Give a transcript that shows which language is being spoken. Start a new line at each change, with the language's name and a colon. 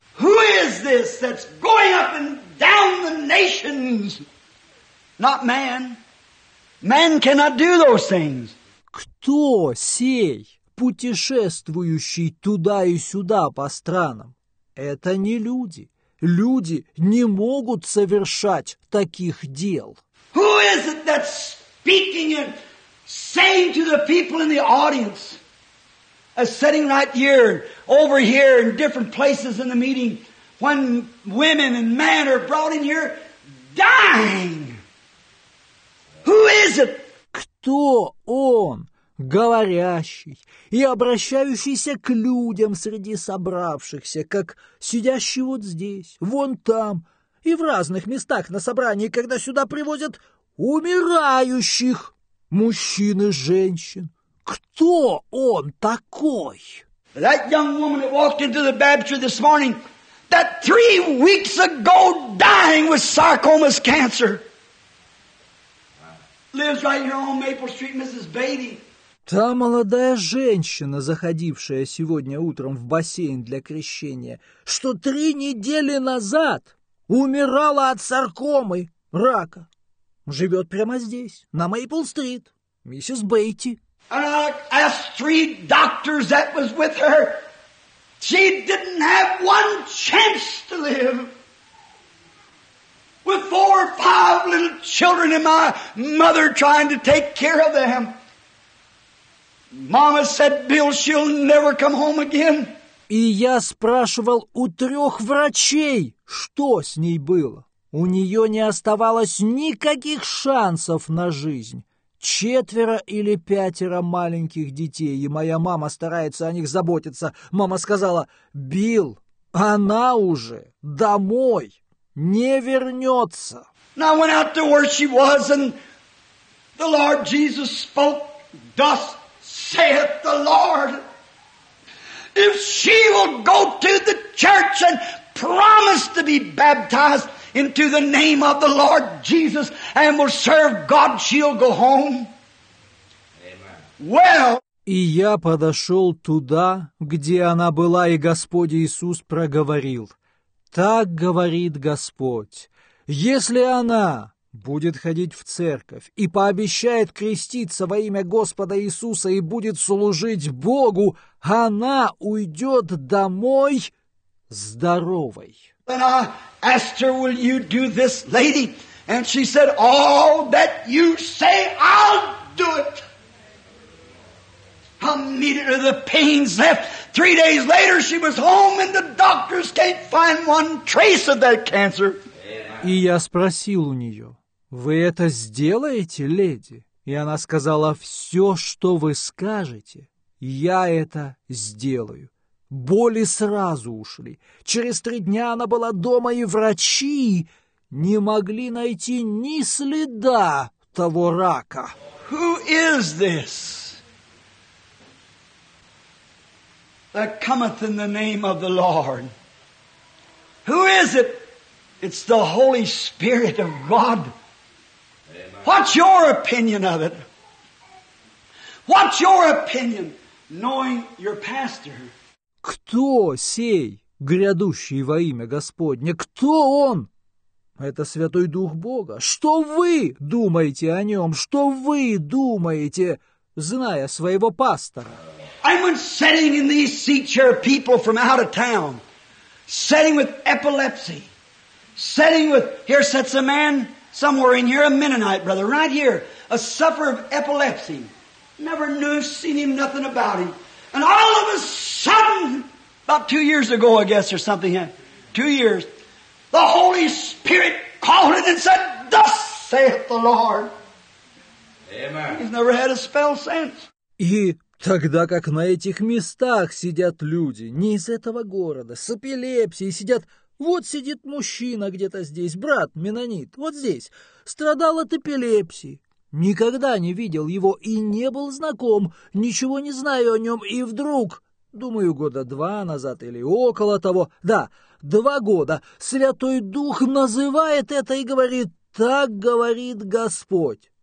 English: Who is this that's going up and down the nations? Not man. Man cannot do those things.
Russian: Кто сей, путешествующий туда и сюда по странам? Это не люди. Люди не могут совершать таких дел.
English: Who is it that's speaking and saying to the people in the audience, as sitting right here, over here, in different places in the meeting, when women and men are brought in here dying? Who is it?
Russian: Кто он? Говорящий и обращающийся к людям среди собравшихся, как сидящий вот здесь, вон там, и в разных местах на собрании, когда сюда привозят умирающих мужчин и женщин. Кто он такой?
English: That young woman that walked into the baptistry this morning, that 3 weeks ago dying with sarcoma's cancer, lives right here on Maple Street, Mrs. Beatty.
Russian: Та молодая женщина, заходившая сегодня утром в бассейн для крещения, что 3 недели назад умирала от саркомы, рака, живет прямо здесь, на Мейпл-стрит, миссис Бейти.
English: And I asked 3 doctors that was with her. She didn't have one chance to live. With 4 or 5 little children and my mother trying to take care of them. Mama said, Bill, she'll never come home again.
Russian: И я спрашивал у 3 врачей, что с ней было. У нее не оставалось никаких шансов на жизнь. 4 или 5 маленьких детей, и моя мама старается о них заботиться. Мама сказала: Билл, она уже домой не вернется.
English: Now I went out to where she was, and the Lord Jesus spoke, thus saith the Lord, if she will go to the church and promise to be baptized into the name of the Lord Jesus and will serve God, she'll go home. Amen. Well,
Russian: и я подошел туда, где она была, и Господь Иисус проговорил: так говорит Господь, если она будет ходить в церковь и пообещает креститься во имя Господа Иисуса и будет служить Богу, она уйдет домой здоровой.
English: And I asked her, will you do this, lady? And she said, all that you say, I'll do it. Immediately the pains left. 3 days later she was home and the doctors can't find one trace of that cancer.
Russian: И я спросил у нее: вы это сделаете, леди? И она сказала: все, что вы скажете, «Я это сделаю». Боли сразу ушли. Через 3 дня она была дома, и врачи не могли найти ни следа того рака.
English: Who is this that cometh in the name of the Lord? Who is it? It's the Holy Spirit of God. What's your opinion of it? What's your opinion, knowing your pastor?
Russian: Кто сей, грядущий во имя Господне? Кто он? Это Святой Дух Бога. Что вы думаете о нем? Что вы думаете, зная своего пастора?
English: I'm sitting in these seats here, people from out of town, sitting with epilepsy, sitting with, here sits a man somewhere in here, a Mennonite brother, right here, a sufferer of epilepsy, never knew, seen him, nothing about him. And all of a sudden, about 2 years ago, I guess, or something, 2 years, the Holy Spirit called it and said, Thus saith the Lord. Amen. He's never had a spell since.
Russian: И тогда, как на этих местах сидят люди, не из этого города, с эпилепсией сидят, вот сидит мужчина где-то здесь, брат Меннонит, вот здесь, страдал от эпилепсии. Никогда не видел его и не был знаком, ничего не знаю о нем, и вдруг, думаю, 2 года назад или около того, 2 года, Святой Дух называет это и говорит, так говорит Господь.